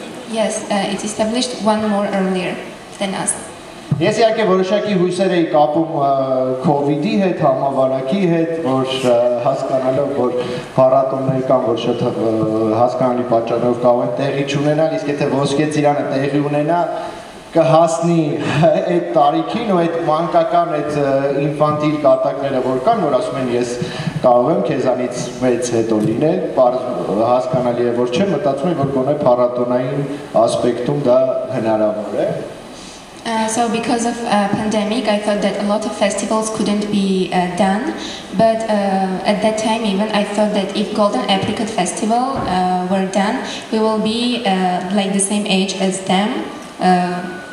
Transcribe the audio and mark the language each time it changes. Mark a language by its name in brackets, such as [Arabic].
[English] Yes, it is established one more earlier than us. [Armenian] Ես իհարկե որոշակի հույսեր էի կապում COVID-ի հետ, համավարակի հետ, որ հասկանալով, որ փառատոնները կան, որ շատ հասկանալի պատճառով կարող են տեղի չունենալ, իսկ եթե ոսկեծիրանը տեղի ունենա, կհասնի այդ տարիքին ու այդ մանկական, այդ ինֆանտիլ կատակները, որ կան, որ ասում են, ես կարող եմ քեզանից մեծ հետո լինել, հասկանալի է, որ չէ, մտածում եմ, որ գոնե փառատոնային ասպեկտում դա հնարավոր է. [English] So because of pandemic, I thought that a lot of festivals couldn't be done. But at that time, even I thought that if Golden Apricot Festival were done, we will be like the same age as them.